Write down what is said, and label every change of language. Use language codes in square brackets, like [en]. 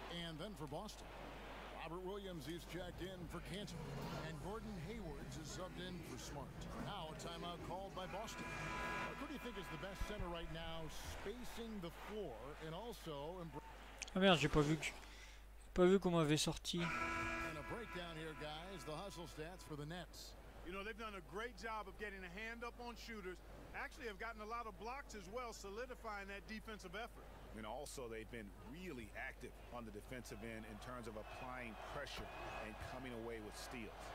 [en] And then for Boston, Robert Williams is checked in for Canton, and Gordon Hayward is subbed in for Smart. Now a timeout called by Boston. Who do you think is the best center right now, spacing the floor, and also? [fr] Ah merde, j'ai pas vu qu'on m'avait sorti. [en] And a breakdown here, guys. The hustle stats for the Nets. You know, they've done a great job of getting a hand up on shooters. Actually, have gotten a lot of blocks as well, solidifying that defensive effort. And also, they've been really active on the defensive end in terms of applying pressure and coming away with steals.